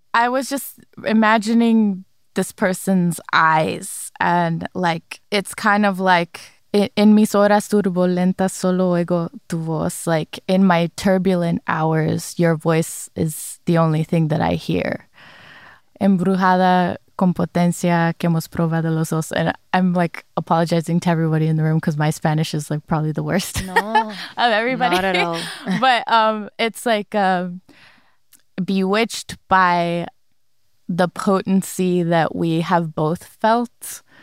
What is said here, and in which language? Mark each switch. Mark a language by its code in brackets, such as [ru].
[en] I was just imagining this person's eyes. And like, it's kind of like, in [es] mis horas turbulentas solo oigo tu voz. [en] Like, in my turbulent hours, your voice is the only thing that I hear. [es] Embrujada con potencia que hemos probado los dos. [en] And I'm like apologizing to everybody in the room because my Spanish is like probably the worst. No, of everybody. Not at all. But it's like, bewitched by the potency that we have both felt.